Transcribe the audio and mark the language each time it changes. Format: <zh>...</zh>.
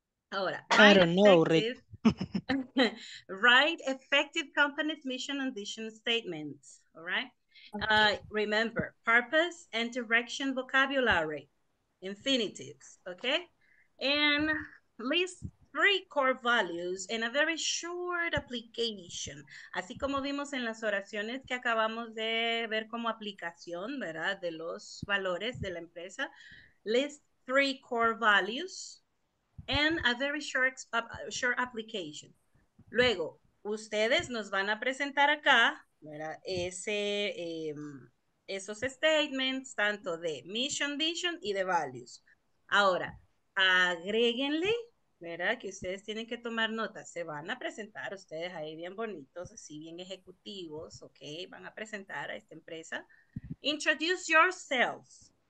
<en>Ahora, write effective company's mission and vision statements, all right. Remember, purpose and direction vocabulary, infinitives, okay? And list three core values in a very short application.</en> <es>Así como vimos en las oraciones que acabamos de ver como aplicación, ¿verdad? De los valores de la empresa.</es> <en>List three core values and a very short application.</en> <es>Luego, ustedes nos van a presentar acá, ¿verdad? Esos statements tanto de mission, vision y de values. Ahora, agréguenle, ¿verdad? Que ustedes tienen que tomar notas. Se van a presentar ustedes ahí bien bonitos, así bien ejecutivos, ¿ok? Van a presentar a esta empresa.</es> <en>Introduce yourselves.</en>